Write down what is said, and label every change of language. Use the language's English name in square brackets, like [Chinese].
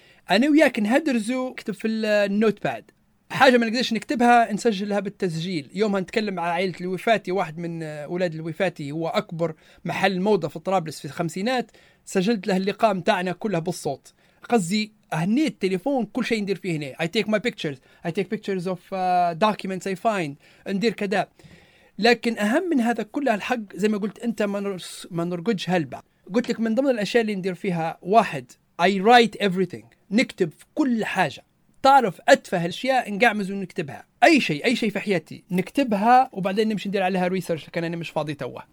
[Arabic] أنا وياك نهدرزو كتب في النوت باد، حاجة ما نقدرش نكتبها نسجلها بالتسجيل. يومها نتكلم على عائلة الوفاتي، واحد من أولاد الوفاتي هو أكبر محل موضة في طرابلس في الخمسينات، سجلت له اللقاء متاعنا كلها بالصوت. قصدي هني التليفون كل شيء ندير فيه هنا. [English] I take pictures of documents I find [Arabic] ندير كذا. لكن أهم من هذا كله الحق زي ما قلت أنت، ما نرقدش هلبة. قلت لك من ضمن الأشياء اللي ندير فيها، واحد [English] I write everything، [Arabic] نكتب في كل حاجة. تعرف أتفه الأشياء نقعمز ونكتبها، أي شيء في حياتي نكتبها، وبعدين نمشي ندير عليها ريسيرش لكن أنا مش فاضي توه.